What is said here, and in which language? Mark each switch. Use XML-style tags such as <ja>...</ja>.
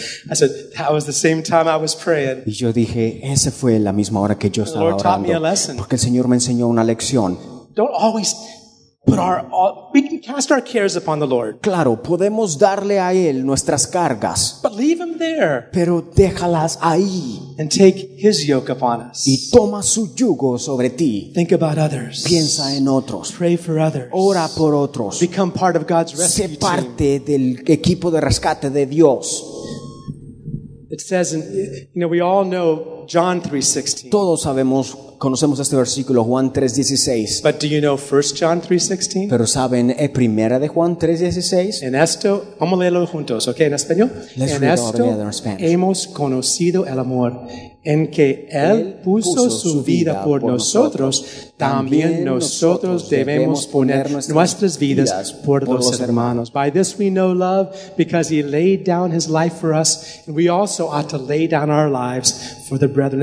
<en>I said, that was the same time I was praying.</en> <es>Y yo dije, esa fue la misma hora que yo estaba orando.</es> <en>The Lord taught me a lesson.</en> <es>Porque el Señor me enseñó una lección.</es> <en>Don't always put our all, we can cast our cares upon the Lord.</en> <es>Claro, podemos darle a él nuestras cargas.</es> <en>But leave him there.</en> <es>Pero déjalas ahí.</es> <en>And take his yoke upon us.</en> <es>Y toma su yugo sobre ti.</es> <en>Think about others.</en> <es>Piensa en otros.</es> <en>Pray for others.</en> <es>Ora por otros.</es> <en>Become part of God's rescue team.</en> <es>Sé parte del equipo de rescate de Dios.</es> <en>It says, in, you know, we all know John 3:16.</en> <es>Todos sabemos, conocemos este versículo, Juan 3:16.</es> <en>But do you know 1 John 3:16?</en> <es>Pero saben, primera de Juan 3:16. En esto, vamos a leerlo juntos, ¿ok? En español.</es> <en>Let's</en> <es>en esto hemos conocido el amor en que Él puso su vida por nosotros. También nosotros debemos poner nuestras vidas por los hermanos.</es> <en>By this we know love, because He laid down His life for us, and we also ought to lay down our lives for the brethren.</en>